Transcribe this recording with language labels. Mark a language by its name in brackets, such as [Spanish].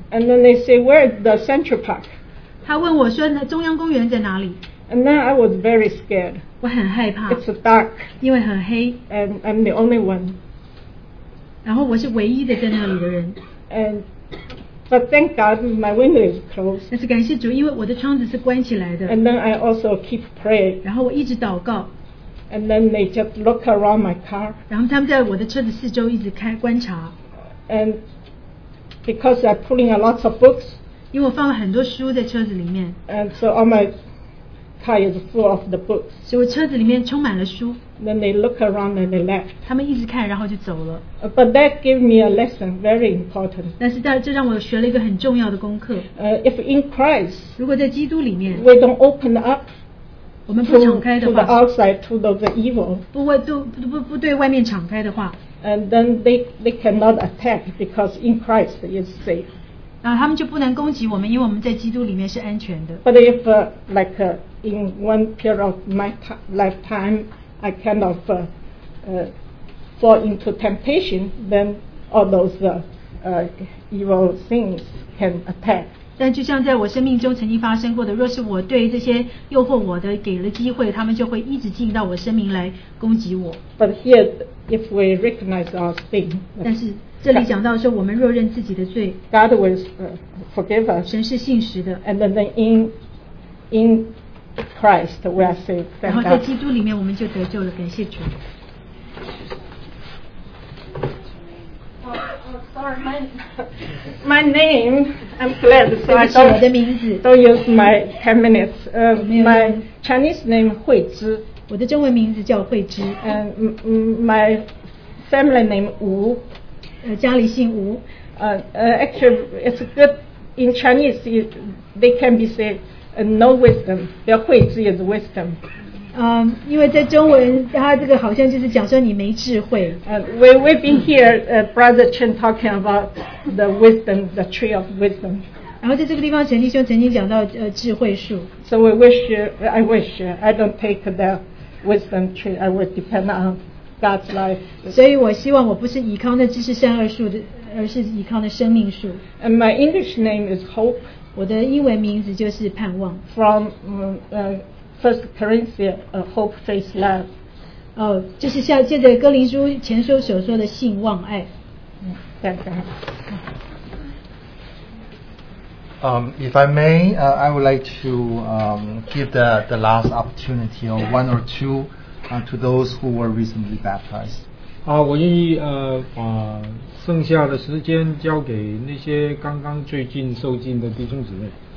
[English] And then they say, "Where is the Central Park?" [Chinese] 他问我说，那中央公园在哪里？ [English] And then I was very scared. [Chinese] 我很害怕。 [English] It's dark. [Chinese] 因为很黑。 [English] And I'm the only one. [Chinese] 然后我是唯一的在那里的人。 [English] But thank God, my window is closed. [Chinese] 但是感谢主，因为我的窗子是关起来的。 [English] And then I also keep praying. [Chinese] 然后我一直祷告。 [English] And then they just look around my car. [Chinese] 然后他们在我的车子四周一直开观察。 [English] And because I'm pulling a lot of books. [Chinese] 因为我放了很多书在车子里面。 [English] And so all my car is full of the books. [Chinese] 所以我车子里面充满了书。 [English] Then they look around and they left. [Chinese] 他们一直看，然后就走了。 [English] But that gave me a lesson, very important. [Chinese] 但是这让我学了一个很重要的功课。 [English] If in Christ, [Chinese] 如果在基督里面， [English] we don't open up, [Chinese] 我们不敞开的话， [English] to the outside, to the evil, [Chinese] 不对外面敞开的话， [English] and then they cannot attack because in Christ is safe. [Chinese] 然后他们就不能攻击我们，因为我们在基督里面是安全的。 [English] But if like in one period of my lifetime. I kind of fall into temptation, then all those evil things can attack. [Chinese] 但就像在我生命中曾经发生过的，若是我对这些诱惑我的给了机会，他们就会一直进到我生命来攻击我。 [English] But here, if we recognize our sin, [Chinese] 但是这里讲到说，我们若认自己的罪， [English] God will forgive us. [Chinese] 神是信实的。 [English] And then in Christ, we are saved. [Chinese] 然后在基督里面，我们就得救了。感谢主。 [English] My name, I'm glad. So I don't use my 10 minutes. My Chinese name 慧芝。 [Chinese] 我的中文名字叫慧芝。 [English] My family name 吴。 [Chinese] 家里姓吴。 [English] Actually, it's good in Chinese. They can be said. No wisdom, but 慧智 is wisdom. [Chinese] 因为在中文，它这个好像就是讲说你没智慧。 [English] We've been here, Brother Chen talking about the wisdom, the tree of wisdom. [Chinese] 然后在这个地方，陈弟兄曾经讲到智慧树。 [English] So we wish, I wish, I don't take the wisdom tree. I would depend on God's life. [Chinese] 所以我希望我不是倚靠那知识善恶树的，而是倚靠那生命树。 [English] And my English name is Hope. [Chinese] 我的英文名字就是盼望。 [English] From First Corinthians, hope, faith, love. [Chinese] 就是像借着哥林书前书所说的信望爱。 [English] If I may, I would like to give the last opportunity or one or two to those who were recently baptized. [Chinese] 我愿意把剩下的时间交给那些刚刚最近受浸的弟兄姊妹。